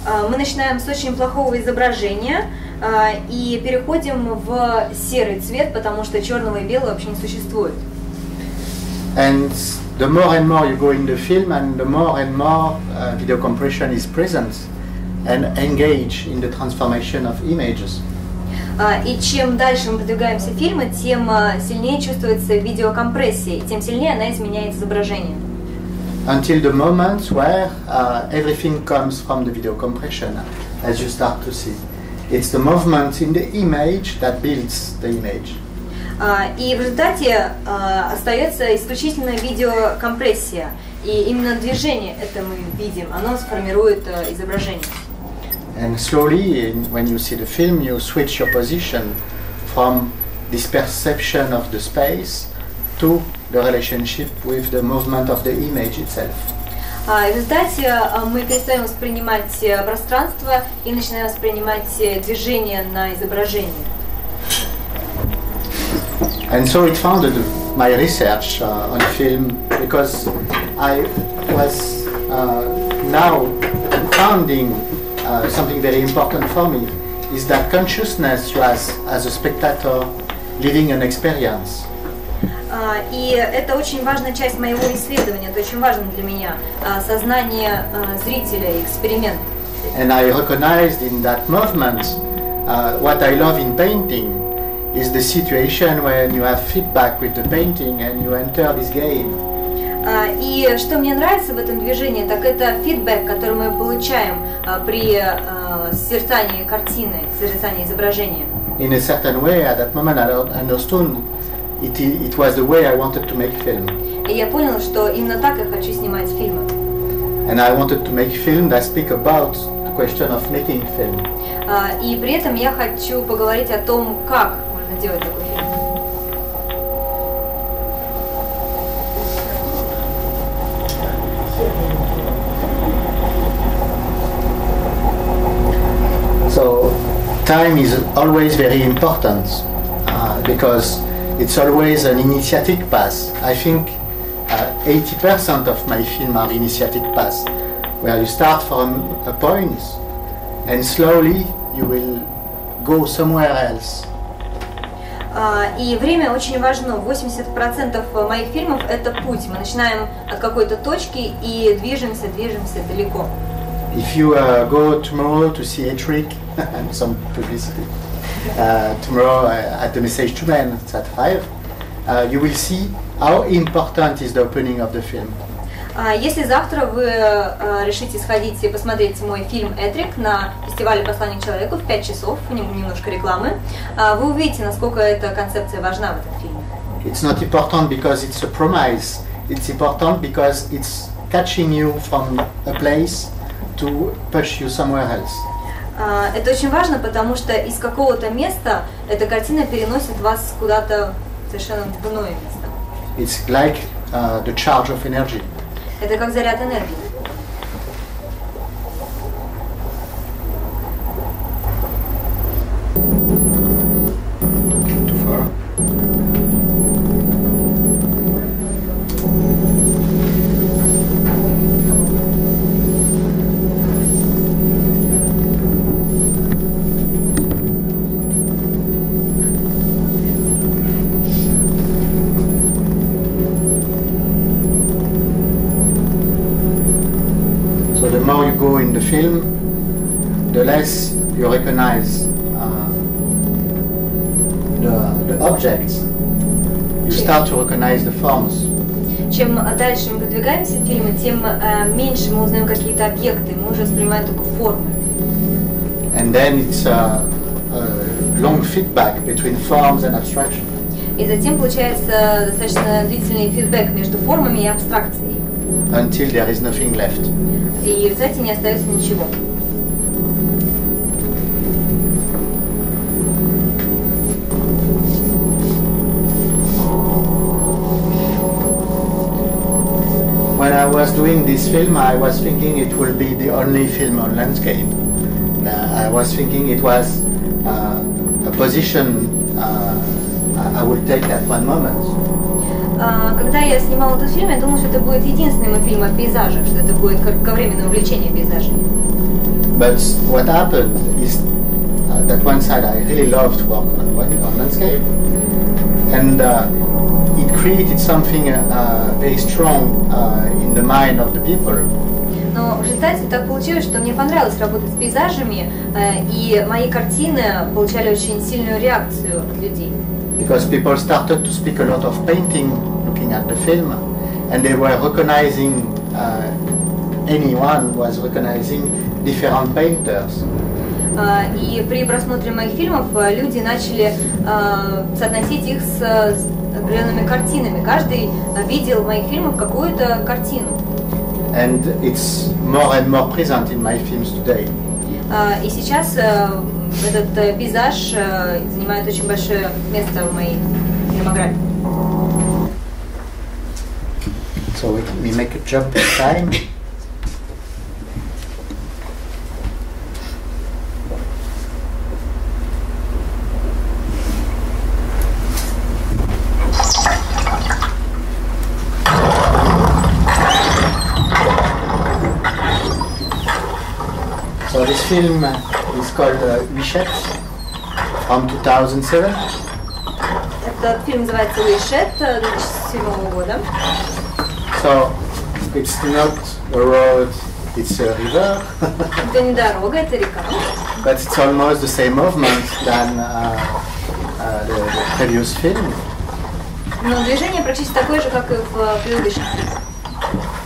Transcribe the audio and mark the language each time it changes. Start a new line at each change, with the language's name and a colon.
Russian: Мы начинаем с очень плохого изображения и переходим в серый цвет, потому что черного и белого вообще не существует.
English: And the more and more you go in the film, and the more and more video compression is present and engage in the transformation of images.
Russian: И чем дальше мы продвигаемся в фильме, тем сильнее чувствуется видеокомпрессия, и тем сильнее она изменяет изображение.
English: Until the moment where everything comes from the video compression, as you start to see. It's the movement in the image that builds the image.
Russian: И в результате остается исключительно видеокомпрессия. И именно движение, это мы видим, оно сформирует изображение.
English: And slowly, when you see the film, you switch your position from this perception of the space to the relationship with the movement of the image itself.
Russian: В результате мы перестаем воспринимать пространство и начинаем воспринимать движение на изображении.
English: And so it founded my research on film because I was now founding something very important for me is that consciousness was as a spectator living an experience.
Russian: И это очень важная часть моего исследования, это очень важно для меня, сознание зрителя, эксперимент.
English: And I recognized in that movement what I love in painting is the situation when you have feedback with the painting and you enter this game.
Russian: И что мне нравится в этом движении, так это фидбэк, который мы получаем при созерцании картины, созерцании изображения.
English: In a certain way, at that moment, I understood it was the way I wanted to make film.
Russian: И я понял, что именно так я хочу снимать фильмы.
English: And I wanted to make film that speak about the question of making film.
Russian: И при этом я хочу поговорить о том, как можно делать такой фильм.
English: So, time is always very important because it's always an initiatic path. I think 80% of my film are initiatic path, where you start from a point and slowly you will go somewhere else.
Russian: И время очень важно. 80% моих фильмов — это путь. Мы начинаем от какой-то точки и движемся далеко.
English: If you go tomorrow to see a trick and some publicity tomorrow at the Message to Men, it's at 5, you will see how important is the opening of the film.
Russian: Если завтра вы решите сходить и посмотреть мой фильм «Этрик» на фестивале «Послание человеку» в 5 часов, немножко рекламы, вы увидите, насколько эта концепция важна в этом фильме.
English: It's not important because it's a promise. It's important because it's catching you from a place to push you somewhere else.
Russian: Это очень важно, потому что из какого-то места эта картина переносит вас куда-то совершенно в иное место.
English: It's like the charge of energy.
Russian: Это как заряд энергии.
English: Film, the less you recognize the objects, you start to recognize the forms.
Russian: Чем дальше мы продвигаемся в фильме, тем меньше мы узнаем какие-то объекты, мы уже воспринимаем только формы.
English: And then it's a long feedback between forms and abstraction.
Russian: И затем получается достаточно длительный фидбэк между формами и абстракцией.
English: Until there is nothing left.
Russian: И в результате не остается ничего.
English: When I was doing this film, I was thinking it will be the only film on landscape. I was thinking it was a position I will take that one moment.
Russian: Когда я снимал этот фильм, я думал, что это будет единственный мой фильм о пейзажах, что это будет кратковременное увлечение пейзажами.
English: But what happened is that one side I really loved to work on, on landscape, and it created something very strong in the mind of the people.
Russian: Но в результате так получилось, что мне понравилось работать с пейзажами, и мои картины получали очень сильную реакцию от людей.
English: Because people started to speak a lot of painting, looking at the film, and they were recognizing, anyone was recognizing different painters.
Russian: И при просмотре моих фильмов люди начали соотносить их с определенными картинами. Каждый видел в моих фильмах какую-то картину.
English: And it's more and more present in my films today.
Russian: И сейчас этот пейзаж занимает очень большое место в моей фильмографии.
English: So we make a jump in time. The film is called Wishette from 2007.
Russian: Этот фильм называется Wishette 2007 года.
English: So it's not a road, it's a river.
Russian: Это не дорога, это река.
English: But it's almost the same movement than the previous film.
Russian: Но движение практически такое же, как и в предыдущем фильме.